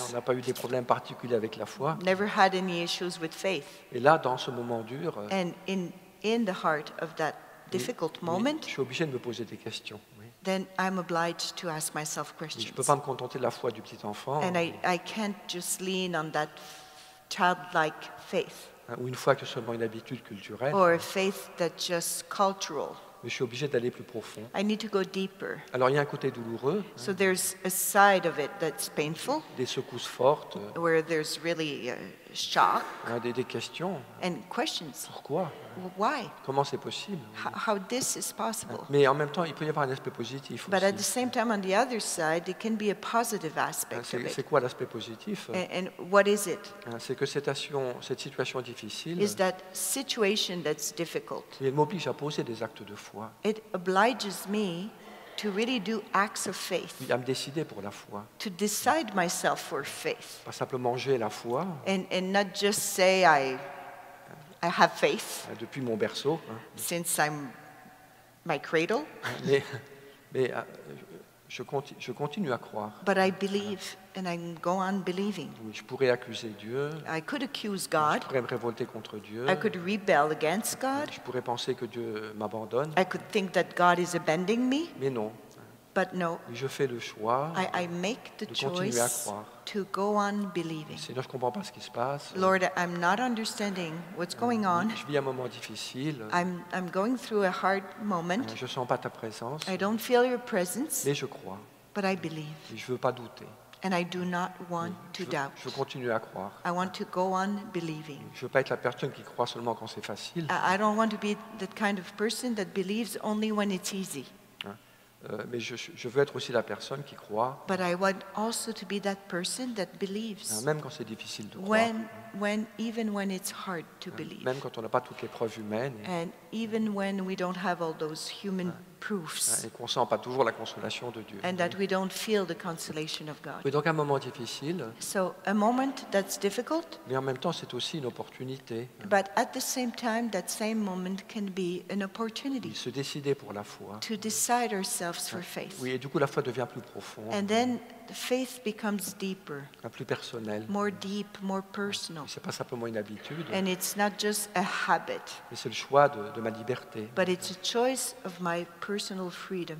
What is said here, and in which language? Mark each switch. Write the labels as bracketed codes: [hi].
[fr] On n'a pas eu des problèmes particuliers avec la foi. [en] Never had any issues with faith. [fr] Et là, dans ce moment dur. [en] And in the heart of that difficult moment. [fr] Je suis obligé de me poser des questions. [en] Then I'm obliged to ask myself questions. [fr] Je peux pas me contenter de la foi du petit enfant. [en] And I can't just lean on that childlike faith. [fr] Ou une foi que seulement une habitude culturelle. [en] Or a faith that's just cultural. [fr] Mais je suis obligé d'aller plus profond. [en] I need to go deeper. [fr] Alors il y a un côté douloureux. [en] So there's a side of it that's painful. [fr] Des secousses fortes. [en] Where there's really a shock. [fr] Des questions. [en] And questions. [fr] Pourquoi? [en] Why? [fr] Comment c'est possible? [en] How this is possible? [fr] Mais en même temps, il peut y avoir un aspect positif aussi. [en] But at the same time, on the other side, it can be a positive aspect. [fr] C'est quoi l'aspect positif? [en] And what is it? [fr] C'est que cette situation difficile. [en] Is that situation that's difficult? [fr] Il m'oblige à poser des actes de foi. [en] It obliges me to really do acts of faith. [fr] À me décider pour la foi. [en] To decide myself for faith. [fr] Pas simplement j'ai la foi. [en] And not just say I have faith. [fr] Depuis mon berceau. [en] Since I'm my cradle. [fr] Mais je continue à croire. [en] But I believe, and I go on believing. [fr] Oui, je pourrais accuser Dieu. [en] I could accuse God. [fr] Je pourrais me révolter contre Dieu. [en] I could rebel against God. [fr] Je pourrais penser que Dieu m'abandonne. [en] I could think that God is abandoning me. [fr] Mais non. [en] But no. [fr] Je fais le choix. [en] I make the [fr] de continuer [en] choice [fr] à croire. [en] To go on believing. [fr] Seigneur, je comprends pas ce qui se passe. [en] Lord, I'm not understanding what's going on. [fr] Je vis un moment difficile. [en] I'm going through a hard moment. [fr] Je sens pas ta présence. [en] I don't feel your presence. [fr] Mais je crois. [en] But I believe. [fr] Et je veux pas douter. [en] And I do not want to doubt. [fr] Je veux continuer à croire. [en] I want to go on believing. [fr] Je veux pas être la personne qui croit seulement quand c'est facile. [en] I don't want to be that kind of person that believes only when it's easy. [fr] Mais je veux être aussi la personne qui croit. [en] But I want also to be that person that believes. [fr] Même quand c'est difficile de croire. [en] When it's hard to believe. [fr] Même quand on n'a pas toutes les preuves humaines. [en] And even when we don't have all those human proofs. [fr] Et qu'on sent pas toujours la consolation de Dieu. [en] And that we don't feel the consolation of God. [fr] Mais donc un moment difficile. [en] So a moment that's difficult. [fr] Mais en même temps, c'est aussi une opportunité. [en] But at the same time, that same moment can be an opportunity. [fr] Se décider pour la foi. [en] To decide ourselves for faith. [fr] Oui, et du coup, la foi devient plus profonde. [en] And then faith becomes deeper, [fr] plus personnel, [en] more deep, more personal. [fr] C'est pas simplement une habitude, [en] and it's not just a habit, [fr] mais c'est le choix de ma liberté. [en] But it's a choice of my personal freedom.